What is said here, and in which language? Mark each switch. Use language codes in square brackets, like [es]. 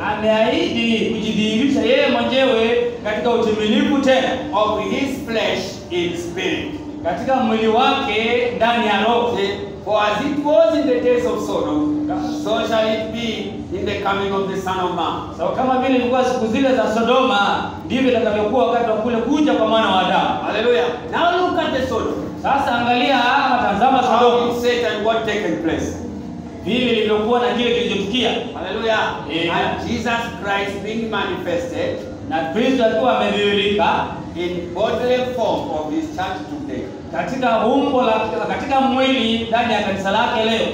[sw] Ameahidi kujidhihirisha yeye mwenyewe katika utimilifu tena. [en] Of his flesh in spirit. [sw] Katika mwili wake ndani ya roho. [en] For as it was in the days of Sodom, so shall it be in the coming of the Son of Man. [sw] So kama vile ilikuwa siku zile za Sodoma, ndivyo itakavyokuwa wakati wa kule kuja kwa mwana wa Adamu. Hallelujah. [en] Now look at the Sodom. [sw] Sasa angalia hapa, tazama Sodoma. [en] How Satan what taken place. [sw] Vile ilivyokuwa na kile kilichotukia. Hallelujah. Amen. [en] And Jesus Christ being manifested. [sw] Na Kristo alikuwa amedhihirika. [en] In bodily form of his church today. [sw] Katika umbo la katika mwili ndani ya kanisa lake leo.